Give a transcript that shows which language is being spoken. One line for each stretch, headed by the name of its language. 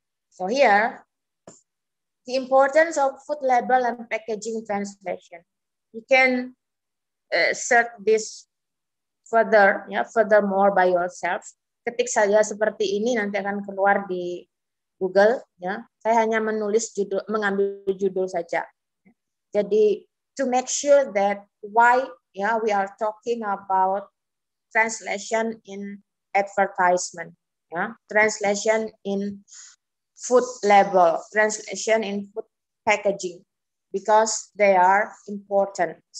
English: So here, the importance of food label and packaging translation. You can set this further, ya, furthermore by yourself.
Indonesian: Ketik saja seperti ini, nanti akan keluar di Google, ya. Saya hanya menulis judul, mengambil judul saja.
English: Jadi to make sure that why, ya, we are talking about translation in advertisement, ya, translation in food label, translation in food packaging, because they are important.